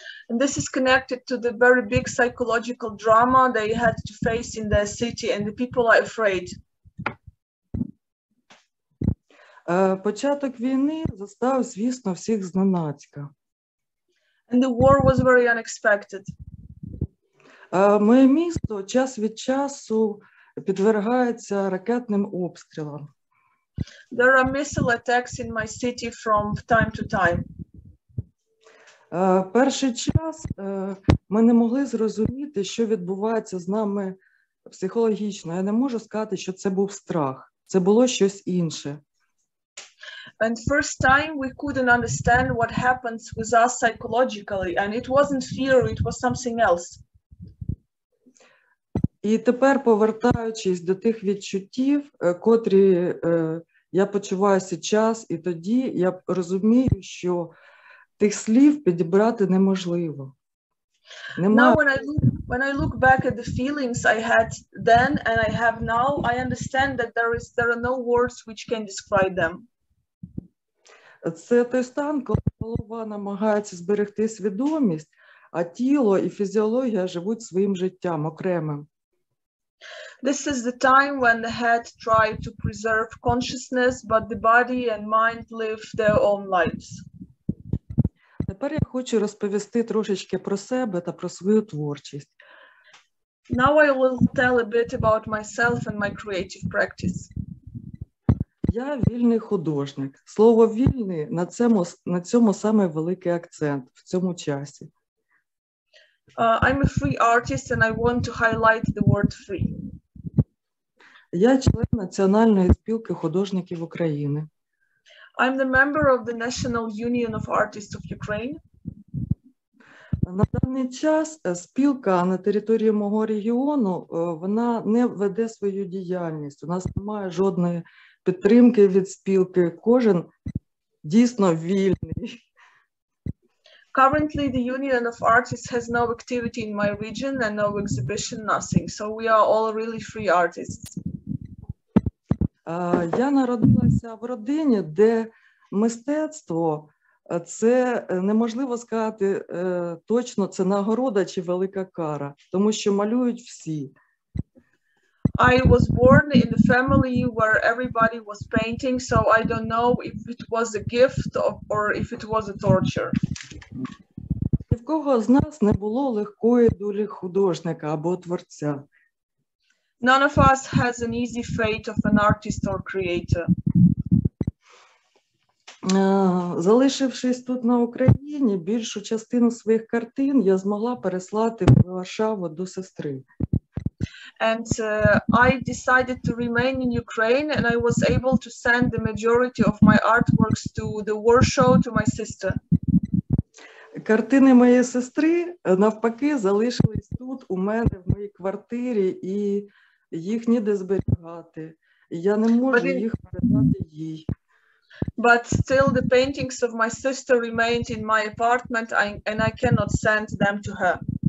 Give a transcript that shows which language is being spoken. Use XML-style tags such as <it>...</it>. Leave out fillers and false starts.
<en>This is connected to the very big psychological drama they had to face in their city, and the people are afraid.</en> <uk>Початок війни застав, звісно, всіх зненацька.</uk> <en>And the war was very unexpected.</en> <uk>Моє місто час від часу підвергається ракетним обстрілам.</uk> <en>There are missile attacks in my city from time to time.</en> <uk>Перший час ми не могли зрозуміти, що відбувається з нами психологічно. Я не можу сказати, що це був страх. Це було щось інше.</uk> <en>And first time we couldn't understand what happens with us psychologically. And it wasn't fear, it was something else.</en> <uk>І тепер, повертаючись до тих відчуттів, котрі я почуваю зараз і тоді, я розумію, що тих слів підібрати неможливо. Немає.</uk> <en>Now when I look back at the feelings I had then and I have now, I understand that there are no words which can describe them.</en> <uk>Це той стан, коли голова намагається зберегти свідомість, а тіло і фізіологія живуть своїм життям окремим.</uk> <en>This is the time when the head tries to preserve consciousness, but the body and mind live their own lives.</en> <uk>Тепер я хочу розповісти трошечки про себе та про свою творчість.</uk> <en>Now I will tell a bit about myself and my creative practice.</en> <uk>Я вільний художник. Слово вільний на цьому саме великий акцент в цьому часі.</uk> <en>I'm a free artist and I want to highlight the word free.</en> <uk>Я член Національної спілки художників України.</uk> <en>I'm the member of the National Union of Artists of Ukraine.</en> <uk>На даний час спілка на території мого регіону, вона не веде свою діяльність. У нас немає жодної підтримки від спілки. Кожен дійсно вільний.</uk> <en>Currently, the Union of Artists has no activity in my region and no exhibition, nothing. So we are all really free artists.</en> <uk>Я народилася в родині, де мистецтво це неможливо сказати точно, це нагорода чи велика кара, тому що малюють всі.</uk> <en>I was born in a family where everybody was painting, so I don't know if it was a gift or if it was a torture.</en> <uk>Ні в кого з нас не було легкої долі художника або творця.</uk> <en>None of us has an easy fate of an artist or creator.</en> <uk>Залишившись тут на Україні, більшу частину своїх картин я змогла переслати в Варшаву до сестри.</uk> <en>And I decided to remain in Ukraine and I was able to send the majority of my artworks to the Warsaw to my sister.</en> <uk>Картини моєї сестри навпаки залишились тут у мене в моїй квартирі і їх ніде зберігати. Я не можу їх передати їй.</uk> <en>But still the paintings of my sister remained in my apartment and I cannot send them to her.</en>